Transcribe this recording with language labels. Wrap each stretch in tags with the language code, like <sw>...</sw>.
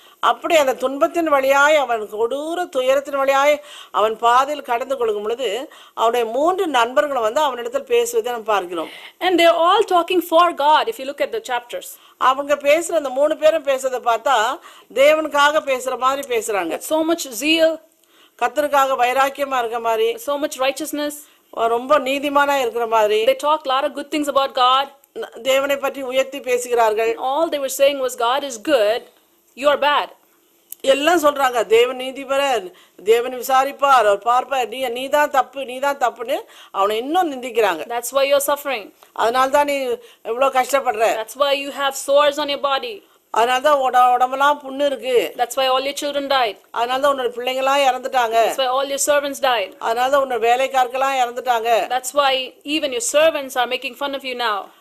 <ta>அப்படி அந்த துன்பத்தின் வழியாய் அவன் கொடூர துயரத்தின் வழியாய் அவன் பாதையில் கடந்து கொள்ளும் பொழுது அவனுடைய மூன்று நண்பர்களும் வந்து அவனிடத்தில் பேசுவதை நாம் பார்க்கிறோம்.</ta> <en>And they are all talking for God if you look at the chapters.</en> <ta>அவங்க பேசுற அந்த மூணு பேரும் பேசுறத பார்த்தா தேவனுக்காக பேசுற மாதிரி பேசுறாங்க.</ta> <en>So much zeal.</en> <ta>கர்த்தருக்காக வைராக்கியமா இருக்க மாதிரி.</ta> <en>So much righteousness.</en> <ta>ரொம்ப நீதிமானா இருக்கிற மாதிரி.</ta> <en>They talk a lot of good things about God.</en> <ta>தேவனை பற்றி உயர்த்தி பேசுகிறார்கள்.</ta> <en>And all they were saying was God is good. You are bad.</en> <ta>எல்லாம் சொல்றாங்க தேவன் நீதிபரன், தேவன் விசாரிப்பார், அவர் பார்ப்பார், நீதான் தப்புன்னு அவனை இன்னும் நிந்திக்கிறாங்க.</ta> <en>That's why you're suffering.</en> <ta>அதனால தான் நீ இவ்வளவு கஷ்டப்படுற.</ta> <en>That's why you have sores on your body.</en> <ta>அதனால தான் உடம்பெல்லாம் புண்ணு இருக்கு.</ta> <en>That's why all your children died.</en> <ta>அதனால தான் உன்னோட பிள்ளைங்க எல்லாம் இறந்துட்டாங்க.</ta> <en>That's why all your servants died.</en> <ta>அதனால தான் உன்னோட வேலைக்காரர்கள் எல்லாம் இறந்துட்டாங்க.</ta> <en>That's why even your servants are making fun of you now.</en>